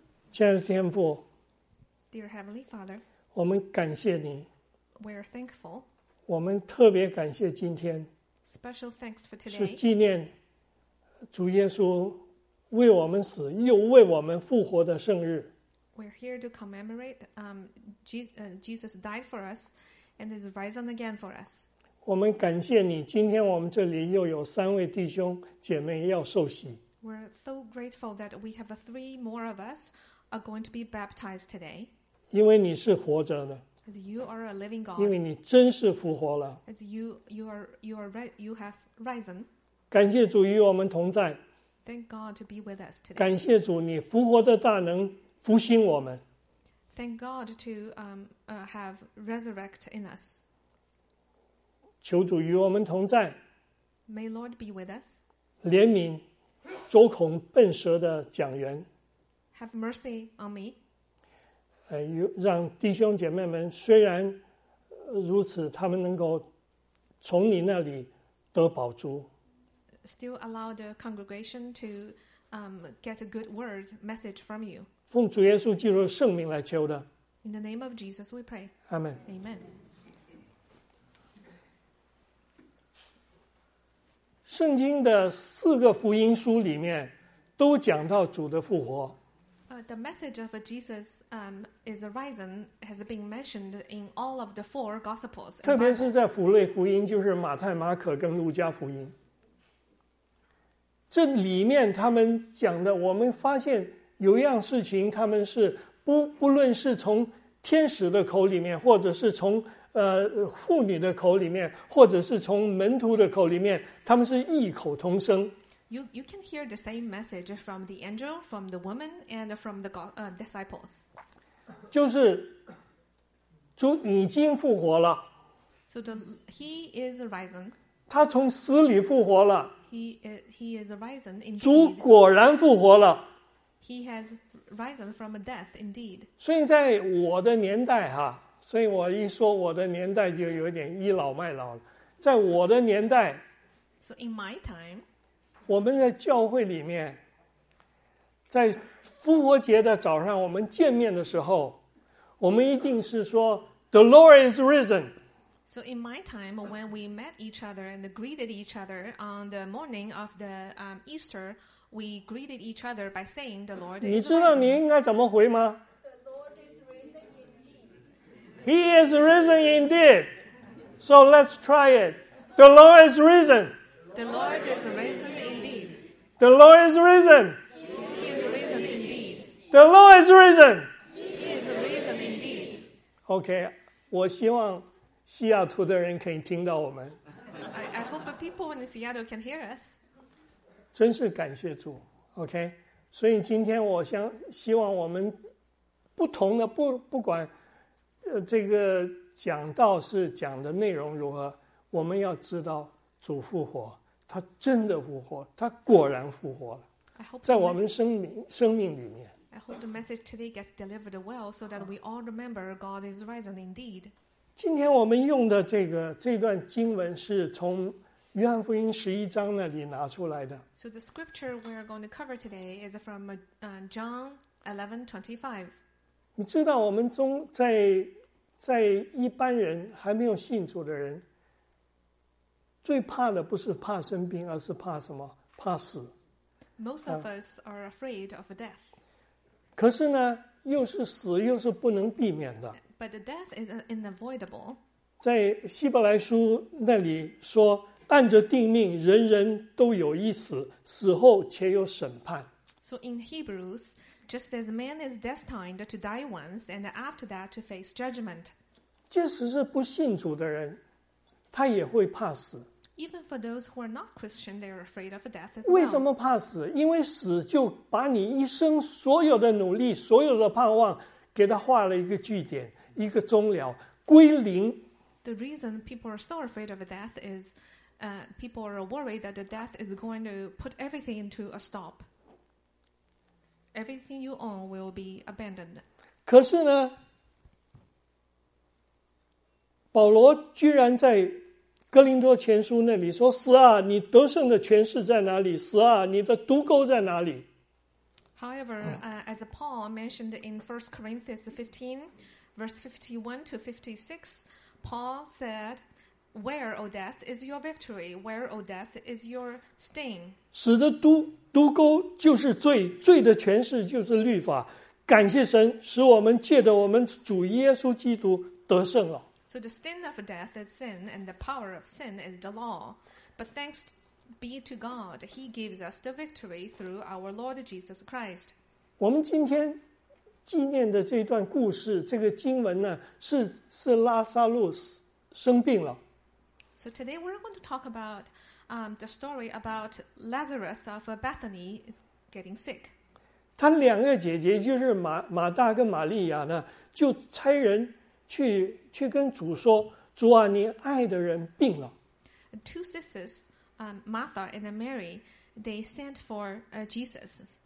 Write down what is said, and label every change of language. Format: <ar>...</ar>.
<zh>亲爱的天父，</zh> <en>Dear Heavenly Father,</en> <zh>我们感谢你。</zh> <en>We are thankful.</en> <zh>我们特别感谢今天。</zh> <en>Special thanks for today.</en> <zh>是纪念主耶稣为我们死又为我们复活的圣日。</zh> <en>We're here to commemorate Jesus died for us and is risen again for us.</en> <zh>我们感谢你，今天我们这里又有三位弟兄姐妹要受洗。</zh> <en>We're so grateful that we have three more of us are going to be baptized today.</en> <zh>因为你是活着的。</zh> <en>As you are a living God.</en> <zh>因为你真是复活了。</zh> <en>As you have risen.</en> <zh>感谢主与我们同在。</zh> <en>Thank God to be with us today.</en> <zh>感谢主，你复活的大能复兴我们。</zh> <en>Thank God to have resurrect in us.</en> <zh>求主与我们同在。</zh> <en>May Lord be with us.</en> <zh>怜悯周孔笨舌的讲员。</zh> <en>Have mercy on me.</en> <zh>让弟兄姐妹们虽然如此，他们能够从你那里得宝珠。</zh> <en>Still allow the congregation to get a good word message from you.</en> <zh>奉主耶稣基督圣名来求的。</zh> <en>In the name of Jesus, we pray. Amen. Amen.</en> <zh>圣经的四个福音书里面都讲到主的复活。</zh> <en>The message of Jesus is risen has been mentioned in all of the four gospels.</en> <zh>特别是在腓立福音，就是马太、马可跟路加福音。这里面他们讲的，我们发现有一样事情，他们是不论是从天使的口里面，或者是从妇女的口里面，或者是从门徒的口里面，他们是异口同声。</zh> <en>You can hear the same message from the angel, from the woman, and from the disciples.</en> <zh>就是主已经复活了。</zh> <en>So he is risen.</en> <zh>他从死里复活了。</zh> <en>He is risen indeed.</en> <zh>主果然复活了。</zh> <en>He has risen from a death indeed.</en> <zh>所以在我的年代哈，所以我一说我的年代就有点倚老卖老了。在我的年代</zh> <en>，So in my time，</en> <zh>我们在教会里面，在复活节的早上我们见面的时候，我们一定是说</zh> <en>The Lord is risen。 So in my time, when we met each other and greeted each other on the morning of the Easter, we greeted each other by saying, "The Lord is risen."</en> <zh>你知道你应该怎么回吗</zh> <en>？The Lord is risen indeed. He is risen indeed. So let's try it. The Lord is risen. The Lord is risen indeed. The Lord is risen. He is risen indeed. The Lord is risen. He is risen indeed. Okay.</en> <zh>我希望西雅图的人可以听到我们。</zh> <en>I hope people in Seattle can hear us.</en> <zh>真是感谢主 ，OK。所以今天我想希望我们不同的不管这个讲道是讲的内容如何，我们要知道主复活，他真的复活，他果然复活了，在我们生命里面。</zh> <en>I hope the message today gets delivered well so that we all remember God is risen indeed.</en> <zh>今天我们用的这段经文是从约翰福音十一章那里拿出来的。</zh> <en>So the scripture we're going to cover today is from John 11:25.</en> <zh>你知道我们中在一般人还没有信主的人，最怕的不是怕生病，而是怕什么？怕死。</zh> <en>Most of us are afraid of death.</en> <zh>可是呢，又是死，又是不能避免的。</zh> <en>But death is unavoidable.</en> <zh>在希伯来书那里说，按着定命，人人都有一死，死后且有审判。</zh> <en>So in Hebrews, just as man is destined to die once, and after that to face judgment.</en> <zh>即使是不信主的人，他也会怕死。</zh> <en>Even for those who are not Christian, they are afraid of death as well.</en> <zh>为什么怕死？因为死就把你一生所有的努力、所有的盼望，给他画了一个句点、一个终了，归零。</zh> <en>The reason people are so afraid of death is people are worried that the death is going to put everything to a stop. Everything you own will be abandoned.</en> <zh>可是呢，保罗居然在哥林多前书那里说：“死啊，你得胜的权势在哪里？死啊，你的毒钩在哪里？”</zh> <en>However, as Paul mentioned in 1 Corinthians 15, verse 51 to 56, Paul said, Where, O death, is your victory? Where, O death, is your sting?</en> <zh>死的毒钩就是罪，罪的权势就是律法。感谢神，使我们借着我们主耶稣基督得胜了。</zh> <en>So the sting of death is sin, and the power of sin is the law. But thanks be to God, He gives us the victory through our Lord Jesus Christ.</en> <zh>我们今天纪念的这段故事，这个经文呢，是拉撒路生病了。</zh> <en>So today we're going to talk about the story about Lazarus of Bethany is getting sick.</en> <zh>他两个姐姐就是马大跟玛利亚呢，就差人去跟主说：“主啊，你爱的人病了。”</zh> <en>Two sisters, Martha and Mary, they sent for Jesus.</en>